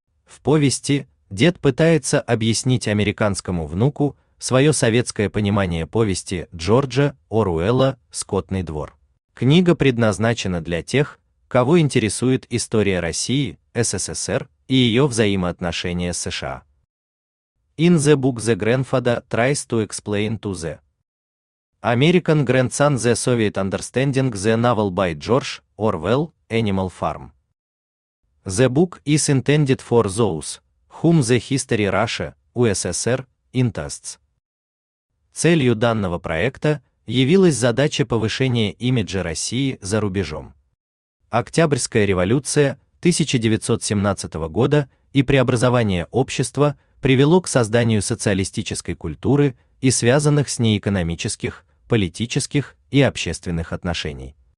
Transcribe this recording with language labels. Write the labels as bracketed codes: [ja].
[ru] В повести дед пытается объяснить американскому внуку свое советское понимание повести Джорджа Оруэлла «Скотный двор». Книга предназначена для тех, кого интересует история России, СССР и ее взаимоотношения с США. [en] In the book the grandfather tries to explain to the American grandson the Soviet understanding the novel by George Orwell, Animal Farm. The book is intended for those whom the history Russia, USSR, interests. [ru] Целью данного проекта явилась задача повышения имиджа России за рубежом. Октябрьская революция 1917 года и преобразование общества привело к созданию социалистической культуры и связанных с ней экономических, политических и общественных отношений.